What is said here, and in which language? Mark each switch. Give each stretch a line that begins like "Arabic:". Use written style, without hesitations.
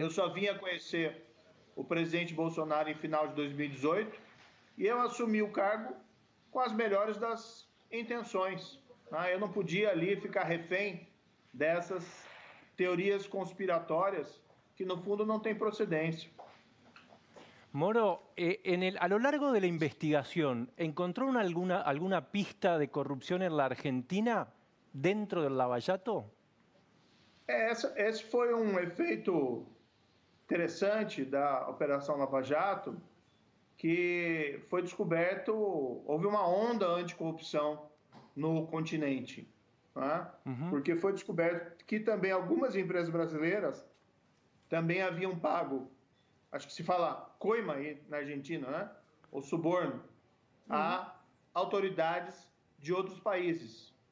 Portuguese: Eu só vim a conhecer o presidente Bolsonaro em final de 2018. E eu assumi o cargo com as melhores das intenções. Eu não podia ali ficar refém dessas teorias conspiratórias que, no fundo, não têm procedência.
Spanish: Moro, a lo largo de la investigación, ¿encontró alguna pista de corrupción en la Argentina dentro del Lavallato?
Portuguese: Esse foi um efeito interessante da Operação Lavajato, que foi descoberto, houve uma onda anticorrupção no continente, porque foi descoberto que também algumas empresas brasileiras também haviam pago, acho que se fala coima aí na Argentina, ou suborno, a autoridades de outros países.